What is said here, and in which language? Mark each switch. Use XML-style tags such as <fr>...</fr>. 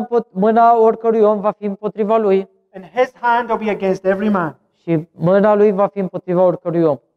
<ro>Mâna oricărui om va fi împotriva lui.</ro> <en>And his hand will be against every man.</en> <ro>Și mâna lui va fi împotriva oricărui om.</ro>